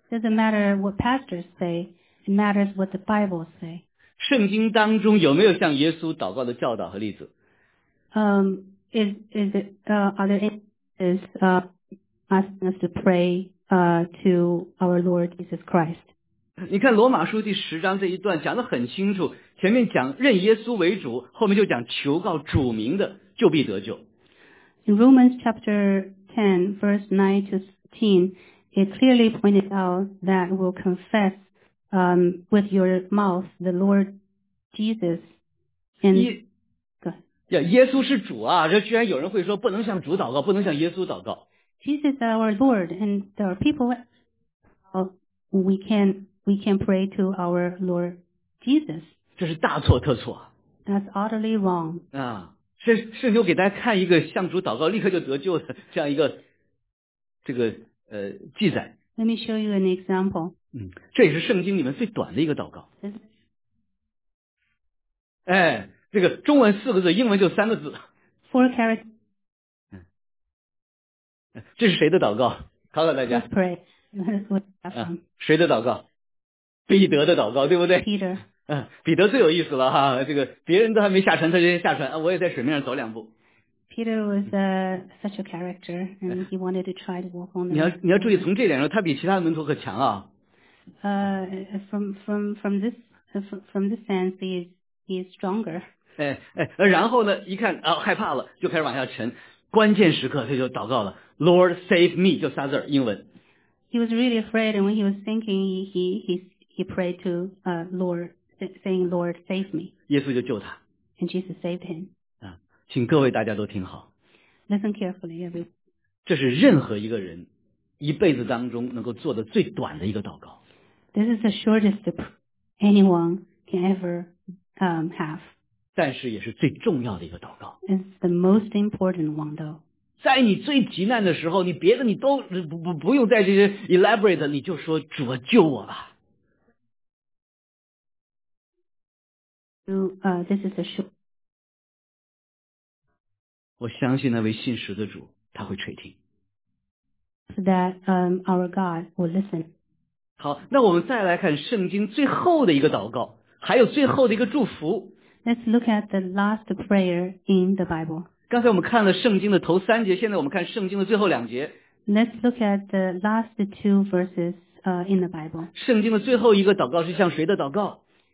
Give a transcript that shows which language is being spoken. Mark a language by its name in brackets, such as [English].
[English] Doesn't matter what pastors say. It matters what the Bible say. [Chinese] 圣经当中有没有向耶稣祷告的教导和例子？ [English] Are there instances asking us to pray to our Lord Jesus Christ. [Chinese] 你看罗马书第十章这一段讲得很清楚，前面讲认耶稣为主，后面就讲求告主名的就必得救。 [English] In Romans chapter 10, verse 9 to 15, it clearly pointed out that we'll confess, with your mouth the Lord Jesus and God. [Chinese] Yeah, 耶稣是主啊，这居然有人会说不能向主祷告，不能向耶稣祷告。 [English] Jesus is our Lord, and there are people, we can pray to our Lord Jesus. [Chinese] 这是大错特错。 [English] That's utterly wrong. 啊。 [Chinese] 这圣经给大家看一个向主祷告立刻就得救的这样一个这个记载。 [English] Let me show you an example. [Chinese] 嗯，这也是圣经里面最短的一个祷告。哎，这个中文四个字，英文就三个字。 [English] Four characters. [Chinese] 嗯，这是谁的祷告？考考大家。 [English] Let's pray. [Chinese] 啊，谁的祷告？彼得的祷告，对不对 [English] ？Peter。 [Chinese] 彼得最有意思了哈，这个别人都还没下船，他就先下船，我也在水面上走两步。 [English] Peter was such a character, and he wanted to try to walk on the. [Chinese] 你要注意，从这点上，他比其他的门徒可强啊。 [English] From this sense, he is stronger. [Chinese] 然后呢，一看啊，害怕了，就开始往下沉。关键时刻，他就祷告了 ， [English] Lord save me， [Chinese] 就仨字儿，英文。 [English] He was really afraid, and when he was sinking, he prayed to Lord. Saying, "Lord, save me." [Chinese] 耶稣就救他。 [English] And Jesus saved him. [Chinese] 啊，请各位大家都听好。 [English] Listen carefully, everyone. [Chinese] 这是任何一个人一辈子当中能够做的最短的一个祷告。 [English] This is the shortest anyone can ever have. [Chinese] 但是也是最重要的一个祷告。 [English] It's the most important one, though. [Chinese] 在你最急难的时候，你别的你都不用再这些 elaborate， 你就说主啊，救我吧。 [English] This is a short. [Chinese] 我相信那位信实的主，他会垂听。 [English] That our God will listen. [Chinese] 好，那我们再来看圣经最后的一个祷告，还有最后的一个祝福。 [English] Let's look at the last prayer in the Bible. [Chinese] 刚才我们看了圣经的头三节，现在我们看圣经的最后两节。 [English] Let's look at the last two verses in the Bible. [Chinese] 圣经的最后一个祷告是向谁的祷告？